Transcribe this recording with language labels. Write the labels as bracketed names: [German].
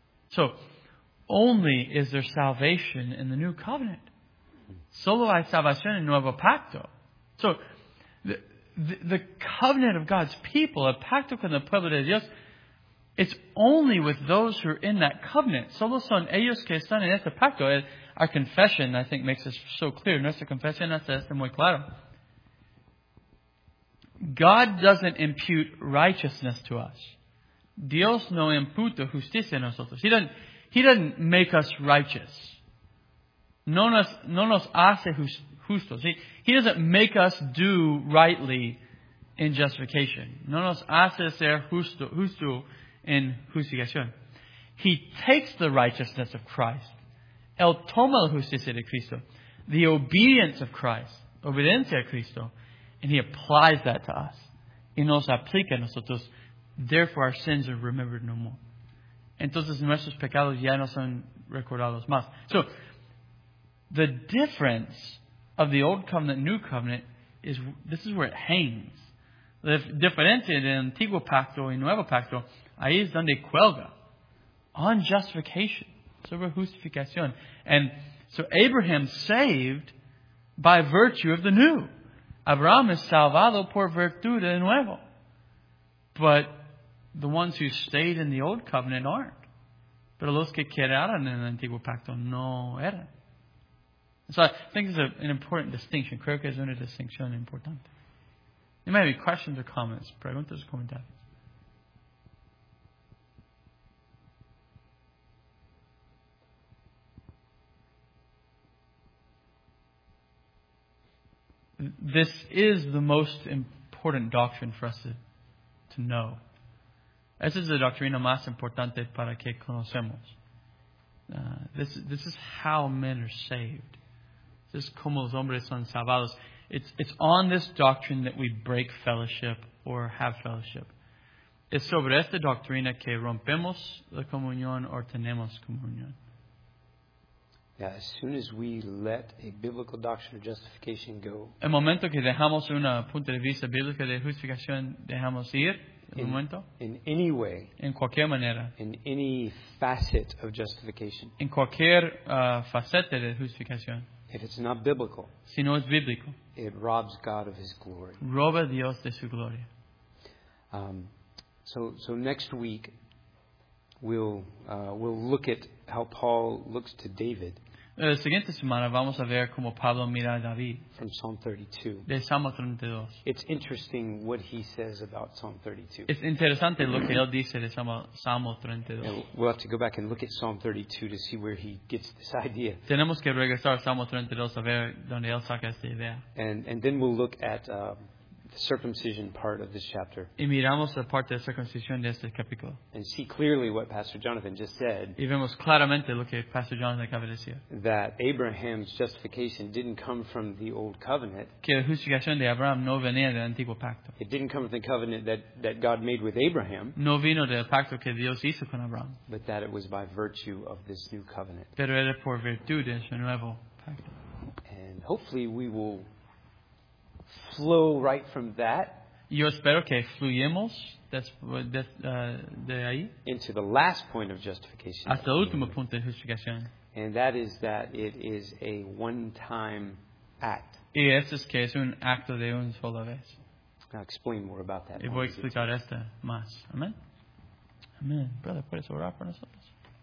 [English] So, only is there salvation in the new covenant. [Spanish] Solo hay salvación en nuevo pacto. [English] So, the covenant of God's people, [Spanish] el pacto con el pueblo de Dios, [English] it's only with those who are in that covenant. [Spanish] Solo son ellos que están en este pacto. [English] Our confession, I think, makes this so clear. [Spanish] Nuestra confesión hace esto muy claro. [English] God doesn't impute righteousness to us. [Spanish] Dios no imputa justicia a nosotros. [English] He doesn't make us righteous. [Spanish] No nos hace justos. [English] He doesn't make us do rightly in justification. [Spanish] No nos hace ser justo en justificación. [English] He takes the righteousness of Christ. [Spanish] Él toma la justicia de Cristo. [English] The obedience of Christ. [Spanish] Obediencia a Cristo. [English] And he applies that to us. [Spanish] Y nos aplica a nosotros. [English] Therefore, our sins are remembered no more. [Spanish] Entonces, nuestros pecados ya no son recordados más. [English] So, the difference of the old covenant, new covenant, is this is where it hangs. [Spanish] La diferencia del antiguo pacto y nuevo pacto, ahí es donde cuelga. [English] On justification. [Spanish] Sobre justificación. [English] And so, Abraham saved by virtue of the new. Abraham is [Spanish] salvado por virtud de nuevo. [English] But the ones who stayed in the old covenant aren't. [Spanish] Pero los que quedaron en el antiguo pacto no eran. [English] So I think it's an important distinction. [Spanish] Creo que es una distinción importante. [English] There may be questions or comments. [Spanish] Preguntas o comentarios. [English] This is the most important doctrine for us to know. [Spanish] Esa es la doctrina más importante para que conocemos. [English] This is how men are saved. This is [Spanish] como los hombres son salvados. [English] It's on this doctrine that we break fellowship or have fellowship. [Spanish] Es sobre esta doctrina que rompemos la comunión o tenemos comunión. [English] Yeah, as soon as we let a biblical doctrine of justification go, [Spanish] el momento que dejamos una punto de vista bíblica de justificación, dejamos ir, [English] in any way, [Spanish] en cualquier manera, [English] in any facet of justification, [Spanish] en cualquier faceta de justificación, [English] if it's not biblical, [Spanish] si no es bíblico, [English] it robs God of His glory, [Spanish] roba Dios de su gloria. [English] So next week, we'll look at how Paul looks to David. [Spanish] La siguiente semana vamos a ver cómo Pablo mira a David. [English] From Psalm 32. [Spanish] De Salmo 32. [English] It's interesting what he says about Psalm 32. [Spanish] Es interesante lo que él dice de Salmo 32. [English] Yeah, we'll have to go back and look at Psalm 32 to see where he gets this idea. [Spanish] Tenemos que regresar a Salmo 32 a ver dónde él saca esta idea. [English] And then we'll look at the circumcision part of this chapter. [Spanish] Y miramos la parte de circuncisión de este capítulo. [English] And see clearly what Pastor Jonathan just said. [Spanish] Y vemos claramente lo que Pastor Jonathan acaba de decir. [English] That Abraham's justification didn't come from the old covenant. [Spanish] Que la justificación de Abraham no venía del antiguo pacto. [English] It didn't come from the covenant that God made with Abraham. [Spanish] No vino del pacto que Dios hizo con Abraham. [English] But that it was by virtue of this new covenant. [Spanish] Pero era por virtud de este nuevo pacto. [English] And hopefully we will flow right from that. [Spanish] Yo espero que fluyamos de ahí. [English] Into the last point of justification. [Spanish] Hasta el último punto de justificación. [English] And that is that it is a one-time act. [Spanish] Y eso es que es un acto de una sola vez. [English] I'll explain more about that. [Spanish] Y voy a explicar esto más. Amén. Amén. Brother, ¿puedes orar por nosotros?